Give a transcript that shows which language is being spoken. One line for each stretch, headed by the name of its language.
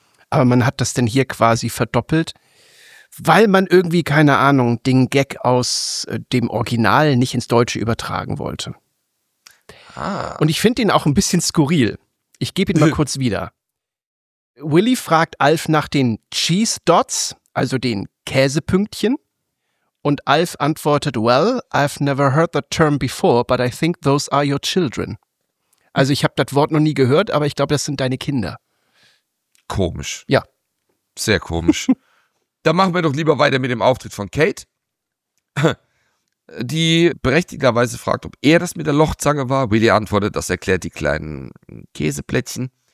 German: Aber man hat das denn hier quasi verdoppelt, weil man irgendwie, keine Ahnung, den Gag aus dem Original nicht ins Deutsche übertragen wollte. Ah. Und ich finde den auch ein bisschen skurril. Ich gebe ihn mal kurz wieder. Willi fragt Alf nach den Cheese Dots, also den Käsepünktchen. Und Alf antwortet,
English: well, I've never heard the term before, but I think those are your children.
German: Also ich habe das Wort noch nie gehört, aber ich glaube, das sind deine Kinder. Komisch. Ja. Sehr komisch. Dann machen wir doch lieber weiter mit dem Auftritt von Kate, die berechtigterweise fragt, ob er das mit der Lochzange war. Willi antwortet, das erklärt die kleinen Käseplättchen.